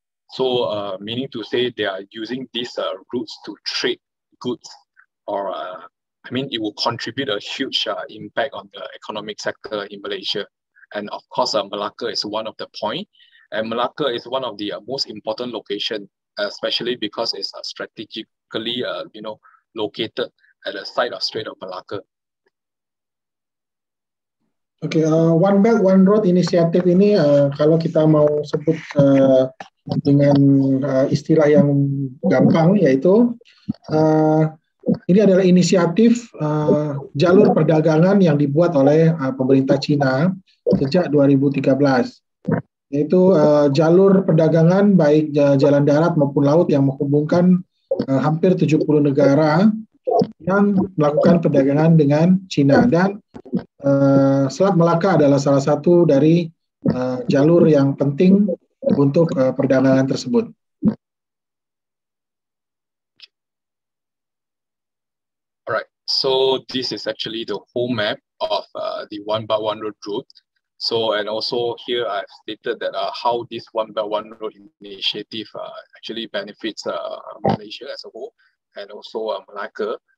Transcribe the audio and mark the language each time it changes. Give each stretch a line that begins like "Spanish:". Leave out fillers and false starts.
English: So meaning to say they are using these routes to trade goods, or I mean, it will contribute a huge impact on the economic sector in Malaysia. And of course, Malacca is one of the point. And Malacca is one of the most important location, especially because it's strategically located at the site of Strait of Malacca.
Indonesian: Okay, One Belt, One Road initiative ini, kalau kita mau sebut dengan istilah yang gampang, yaitu ini adalah inisiatif jalur perdagangan yang dibuat oleh pemerintah Cina sejak 2013. yaitu jalur perdagangan baik jalan darat maupun laut yang menghubungkan hampir 70 negara yang melakukan perdagangan dengan China, dan Selat Malaka adalah salah satu dari jalur yang penting untuk perdagangan tersebut.
English: Alright, so this is actually the whole map of the One Belt One Road route. So, and also here I've stated that how this One Belt One Road initiative actually benefits Malaysia as a whole and also Malacca.